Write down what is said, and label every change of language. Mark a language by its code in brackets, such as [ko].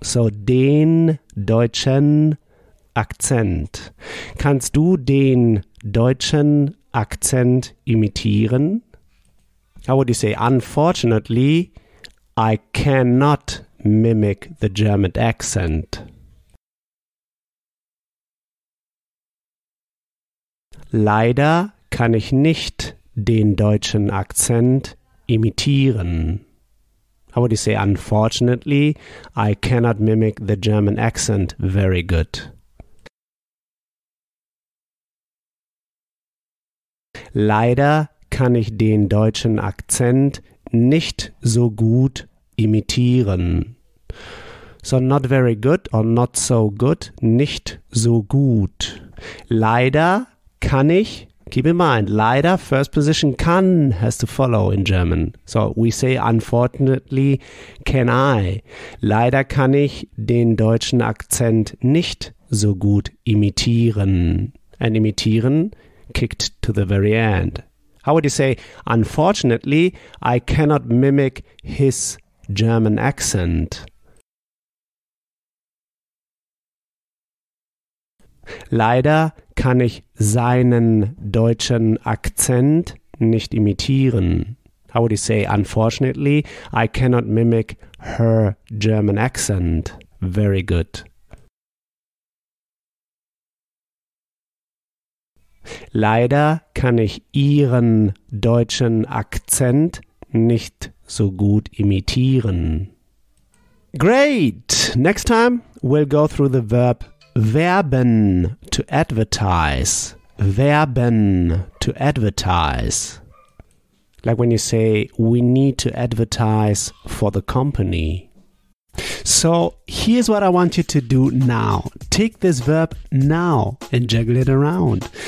[de] So den deutschen Akzent. Kannst du den deutschen Akzent imitieren? [en] How would you say, unfortunately, I cannot mimic the German accent. [de] Leider kann ich nicht den deutschen Akzent imitieren. [en] How would you say, unfortunately, I cannot mimic the German accent very good. [de] Leider kann ich den deutschen Akzent nicht so gut imitieren. [en] So not very good or not so good, [de] nicht so gut. Leider kann ich, [en] keep in mind, leider, first position, kann, has to follow in German. So we say unfortunately, can I. [de] Leider kann ich den deutschen Akzent nicht so gut imitieren. [en] And imitieren kicked to the very end. How would you say, unfortunately, I cannot mimic his German accent? [de] Leider kann ich seinen deutschen Akzent nicht imitieren. [en] How would you say, unfortunately, I cannot mimic her German accent? Very good. [de] Leider kann ich ihren deutschen Akzent nicht so gut imitieren. [en] Great! Next time we'll go through the verb werben, to advertise. Werben, to advertise. Like when you say, we need to advertise for the company. So, here's what I want you to do now. Take this verb now and juggle it around.